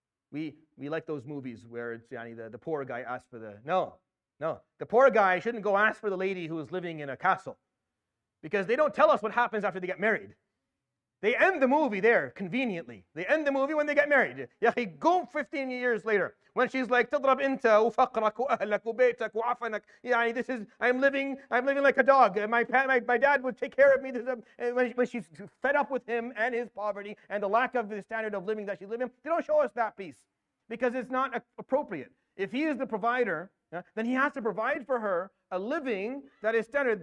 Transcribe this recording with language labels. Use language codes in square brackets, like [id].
[en] We like those movies where it's, yani, the poor guy asks for the... No, the poor guy shouldn't go ask for the lady who is living in a castle, because they don't tell us what happens after they get married. They end the movie there, conveniently. They end the movie when they get married. [ar] يا أخي, [en] go 15 years later, when she's like, [ar] تضرب أنت وفقرك وأهلك وبيتك وعفنك. [en] يعني this is, I'm living like a dog. My dad would take care of me. When she's fed up with him and his poverty and the lack of the standard of living that she's living, they don't show us that piece because it's not appropriate. If he is the provider, yeah, then he has to provide for her a living that is standard.